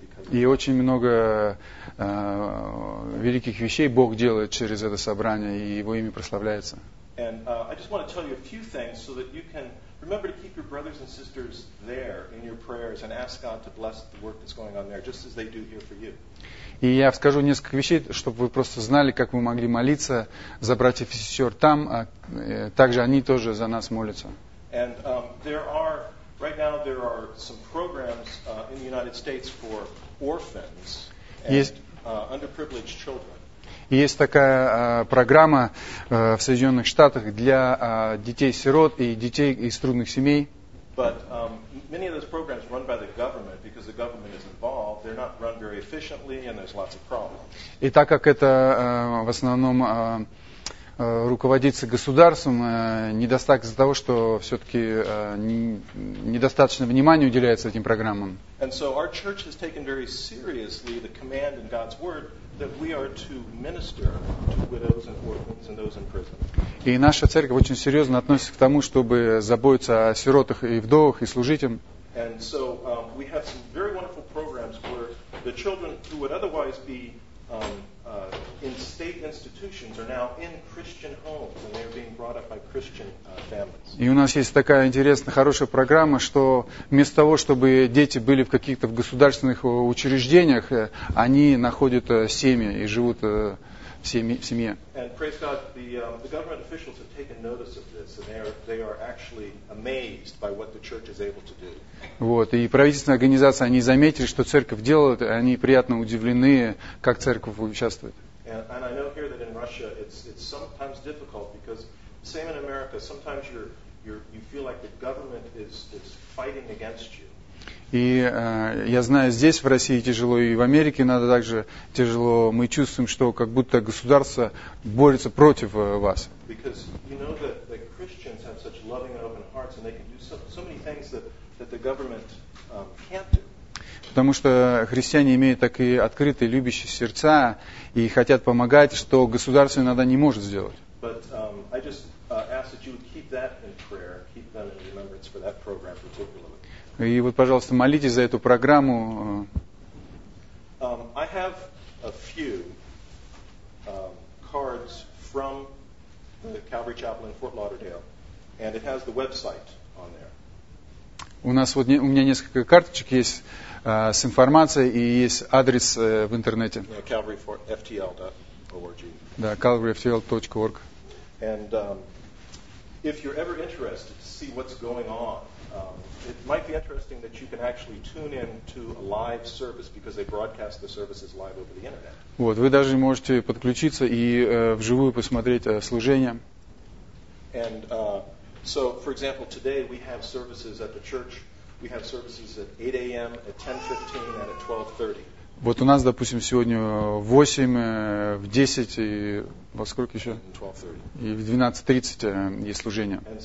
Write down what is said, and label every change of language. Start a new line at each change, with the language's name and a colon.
Russian: И очень много великих вещей Бог делает через это собрание, и Его имя прославляется. Я просто хочу сказать вам несколько вещей, чтобы вы могли...
English: Remember to keep your brothers and sisters there in your prayers and ask God to bless the work that's going on there, just as they do here for you.
Russian: И я скажу несколько вещей, чтобы вы просто знали, как вы могли молиться за братьев и сестер там, а также они тоже за нас молятся.
English: And there are some programs in the United States for orphans and underprivileged children.
Russian: Есть такая программа в Соединенных Штатах для детей-сирот и детей из трудных семей.
English: But, many of those programs run by the government because the government is involved. They're not run very efficiently and there's lots of problems.
Russian: И так как это в основном руководится государством, недостаток из-за того, что все-таки недостаточно внимания уделяется этим программам.
English: And so our church has taken very seriously the command in God's word that we are to minister to widows and orphans and those in prison.
Russian: И наша церковь очень серьезно относится к тому, чтобы заботиться о сиротах и вдовах и служить им.
English: And so we have some very wonderful programs where the children who would otherwise be in state institutions are now in Christian homes and they are being brought up by Christian families.
Russian: И у нас есть такая интересная, хорошая программа, что вместо того, чтобы дети были в каких-то государственных учреждениях, они находят семьи и живут в семье.
English: And praise God, the government officials have taken notice of this and they are actually amazed by what the church is able to do.
Russian: Вот, и правительственные организации, они заметили, что церковь делает, и они приятно удивлены, как церковь участвует.
English: And I know here that in Russia it's sometimes difficult because same in America, sometimes you feel like the government is fighting against you.
Russian: И я знаю, здесь в России тяжело, и в Америке надо также тяжело. Мы чувствуем, что как будто государство борется против вас.
English: Because you know that Christians have such loving and open hearts and they can do so many things that the government can't do.
Russian: Потому что христиане имеют такие открытые, любящие сердца и хотят помогать, что государство иногда не может сделать.
English: But I just ask that you would keep that in prayer, keep them in remembrance for that program particularly.
Russian: И вот, пожалуйста, молитесь за эту программу.
English: I have a few cards from the Calvary Chapel in Fort Lauderdale, and it has the website on there.
Russian: У нас вот у меня несколько карточек есть с информацией и есть адрес в интернете.
English: Yeah, calvaryftl.org.
Russian: Да, calvaryftl.org.
English: And if you're ever interested to see what's going on, it might be interesting that you can actually tune in to a live service because they broadcast the services live over the internet.
Russian: Вот, вы даже можете подключиться и вживую посмотреть служение.
English: And so, for example, today we have services at the church. We have services at 8 a.m., at 10:15, and at 12:30.
Russian: Вот у нас, допустим, сегодня в 8, в 10 и во сколько еще? И в 12:30 есть служение.